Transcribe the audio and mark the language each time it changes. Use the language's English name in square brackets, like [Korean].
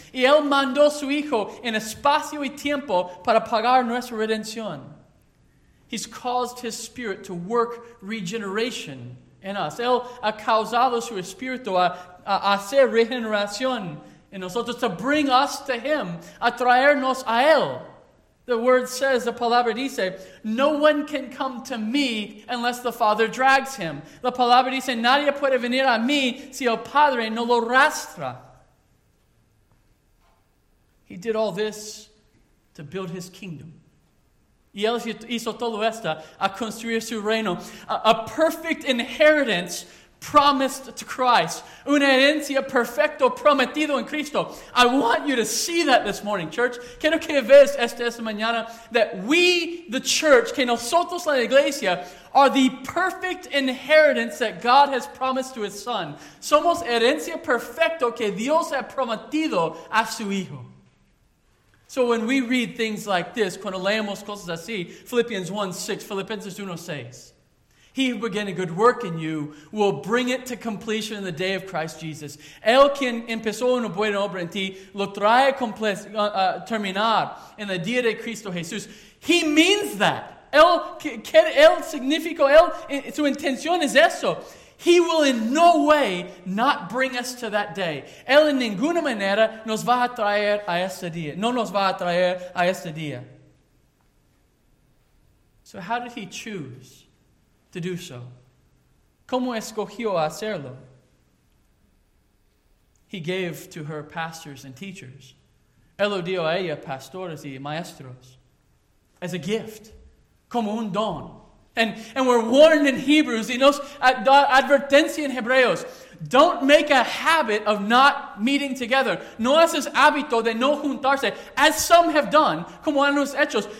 [Spanish] Y él mandó su hijo en espacio y tiempo para pagar nuestra redención. [English] He's caused his spirit to work regeneration in us. [Spanish] Él ha causado su espíritu a hacer regeneración en nosotros, [English] to bring us to him, [Spanish] a traernos a él. [English] The word says, the [Spanish] palabra dice, [English] no one can come to me unless the Father drags him. [Spanish] La palabra dice, nadie puede venir a mí si el Padre no lo arrastra. [English] He did all this to build his kingdom. [Spanish] Y él hizo todo esto a construir su reino. [English] A perfect inheritance promised to Christ. [Spanish] Una herencia perfecto prometido en Cristo. [English] I want you to see that this morning, church. [Spanish] Quiero que veas esta mañana [English] that we, the church, [Spanish] que nosotros la iglesia, [English] are the perfect inheritance that God has promised to his son. [Spanish] Somos herencia perfecto que Dios ha prometido a su hijo. [English] So when we read things like this, [Spanish] cuando leemos cosas así, [English] Filipenses 1:6, he who began a good work in you will bring it to completion in the day of Christ Jesus. [Spanish] El quien empezó una buena obra en ti lo trae a terminar en el día de Cristo Jesús. [English] He means that. [Spanish] El significó, él, su intención es eso. [English] He will in no way not bring us to that day. [Spanish] Él en ninguna manera nos va a traer a este día. No nos va a traer a este día. [English] So how did he choose to do so? [Spanish] ¿Cómo escogió hacerlo? [English] He gave to her pastors and teachers. [Spanish] Él lo dio a ella pastores y maestros. [English] As a gift. [Spanish] Como un don. [English] And we're warned in Hebrews, you know, [Spanish] advertencia en Hebreos. [English] Don't make a habit of not meeting together. [Spanish] No haces hábito de no juntarse, [English] as some have done, [Spanish] como han los hechos.